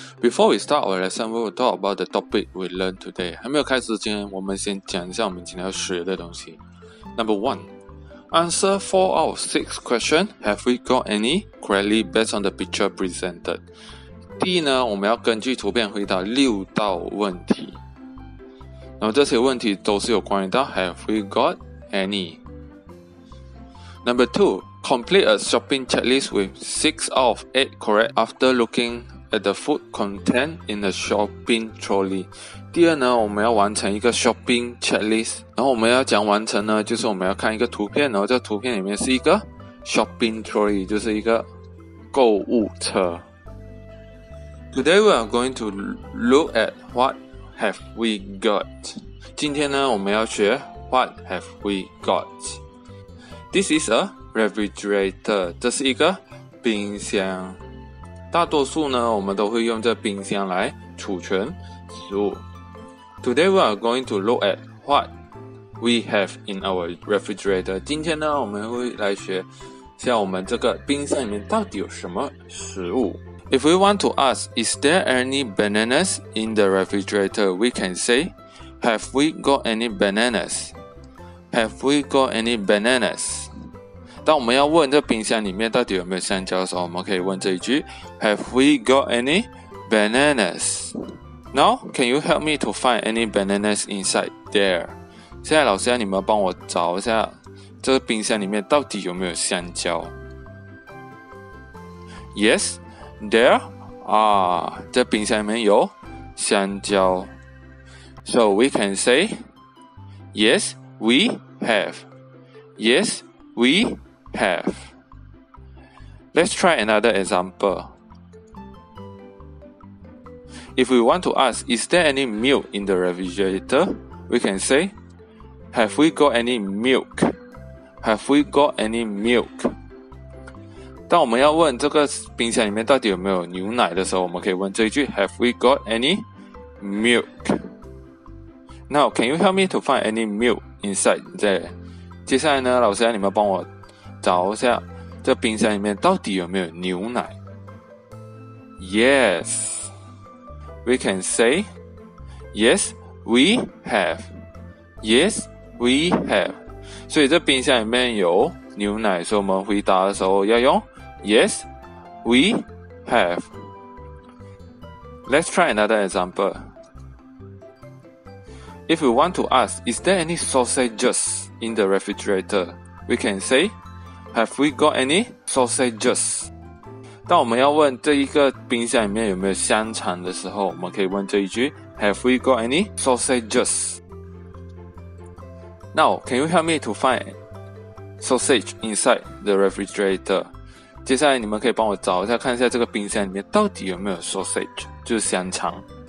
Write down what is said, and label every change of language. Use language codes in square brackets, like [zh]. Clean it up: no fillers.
[en] Before we start our lesson, we will talk about the topic we learned today. [zh] 还没有开始之前，我们先讲一下我们今天要学的东西。 [en] Number one. Answer 4 out of 6 questions. Have we got any? Correctly based on the picture presented. [zh] 第一呢，我们要根据图片回答6道问题。然后这些问题都是有关于到 [en] Have we got any? [zh] Number 2. [en] Complete a shopping checklist with 6 out of 8 correct after looking at the food content in the shopping trolley. [zh] 第二呢，我们要完成一个 shopping checklist， 然后我们要讲完成呢，就是我们要看一个图片，然后这图片里面是一个 shopping trolley， 就是一个购物车。 [en] Today we are going to look at what have we got. [zh] 今天呢，我们要学 [en] what have we got. This is a refrigerator. [zh] 这是一个冰箱。大多数呢，我们都会用这冰箱来储存食物。 [en] Today we are going to look at what we have in our refrigerator. [zh] 今天呢，我们会来学像我们这个冰箱里面到底有什么食物。 [en] If we want to ask, is there any bananas in the refrigerator? We can say, have we got any bananas? Have we got any bananas? [zh] 当我们要问这冰箱里面到底有没有香蕉的时候，我们可以问这一句， [en] have we got any bananas? Now, can you help me to find any bananas inside there? [zh] 现在老师要你们帮我找一下这个冰箱里面到底有没有香蕉。 [en] Yes, there are. [zh] 这冰箱里面有香蕉。 [en] So we can say, Yes, we have. Yes, we have. Let's try another example. If we want to ask, is there any milk in the refrigerator? We can say, have we got any milk? Have we got any milk? [zh] 当我们要问这个冰箱里面到底有没有牛奶的时候，我们可以问这一句， [en] have we got any milk? Now, can you help me to find any milk inside there? [zh] 接下来呢，老师要你们帮我找一下这冰箱里面到底有没有牛奶。 [en] Yes. We can say, yes, we have. Yes, we have. [zh] 所以这冰箱里面有牛奶，所以我们回答的时候要用 [en] yes, we have. Let's try another example. If we want to ask, is there any sausages in the refrigerator? We can say, have we got any sausages? [zh] 当我们要问这一个冰箱里面有没有香肠的时候，我们可以问这一句 [en] Have we got any sausages? Now, can you help me to find sausage inside the refrigerator? [zh] 接下来你们可以帮我找一下，看一下这个冰箱里面到底有没有 sausage, 就是香肠。